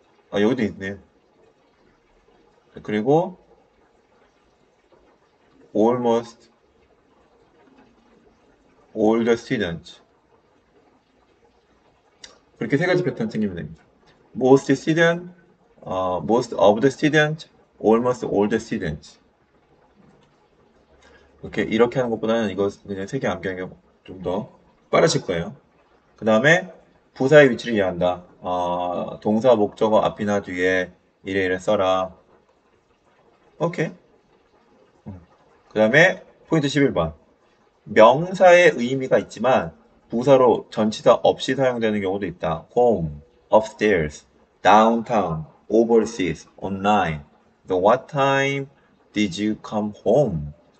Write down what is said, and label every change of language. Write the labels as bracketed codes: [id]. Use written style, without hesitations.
[ko] 아, 여기도 있네. 그리고 [en] almost all the students. [ko] 그렇게 세 가지 패턴 챙기면 됩니다. [en] Most students, most of the students, almost all the students. [ko] 이렇게 하는 것보다는 이거 그냥 세개 암기하는 게좀더 빠르실 거예요. 그 다음에 부사의 위치를 이해한다. 동사 목적어 앞이나 뒤에 이래 이래 써라. 오케이. 그 다음에 포인트 11번. 명사의 의미가 있지만 부사로 전치사 없이 사용되는 경우도 있다. [en] home, upstairs, downtown, overseas, online. The what time did you come home?